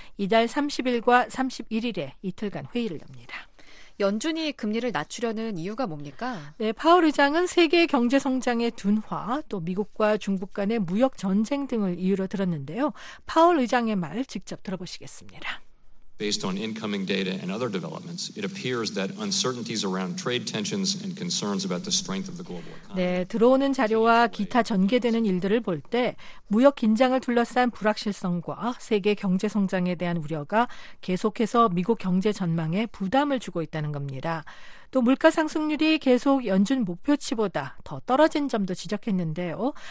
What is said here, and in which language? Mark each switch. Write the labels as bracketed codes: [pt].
[ko] 이달 30일과 31일에 이틀간 회의를 엽니다. 연준이 금리를 낮추려는 이유가 뭡니까? 네, 파월 의장은 세계 경제 성장의 둔화, 또 미국과 중국 간의 무역 전쟁 등을 이유로 들었는데요. 파월 의장의 말 직접 들어보시겠습니다. [en] Based on incoming data and other developments, it appears that uncertainties around trade tensions and concerns about the strength of the global economy. [ko] 네, 들어오는 자료와 기타 전개되는 일들을 볼 때 무역 긴장을 둘러싼 불확실성과 세계 경제 성장에 대한 우려가 계속해서 미국 경제 전망에 부담을 주고 있다는 겁니다. 또 물가상승률이 계속 연준 목표치보다 더 떨어진 점도 지적했는데요.